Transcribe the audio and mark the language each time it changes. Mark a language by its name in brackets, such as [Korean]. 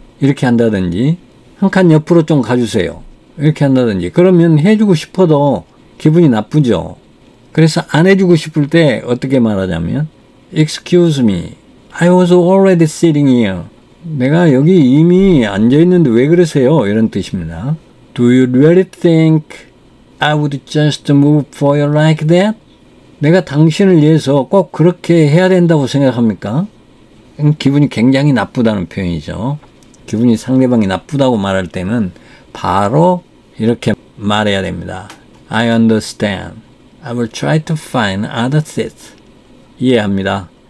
[Korean] 이렇게 한다든지 한 칸 옆으로 좀 가주세요. 이렇게 한다든지 그러면 해주고 싶어도 기분이 나쁘죠. 그래서 안 해주고 싶을 때 어떻게 말하냐면 [English] Excuse me, I was already sitting here. [Korean] 내가 여기 이미 앉아있는데 왜 그러세요? 이런 뜻입니다. [English] Do you really think I would just move for you like that? [Korean] 내가 당신을 위해서 꼭 그렇게 해야 된다고 생각합니까? 기분이 굉장히 나쁘다는 표현이죠. 기분이 상대방이 나쁘다고 말할 때는 바로 이렇게 말해야 됩니다. [English] I understand. I will try to find other seats. [Korean] 이해합니다.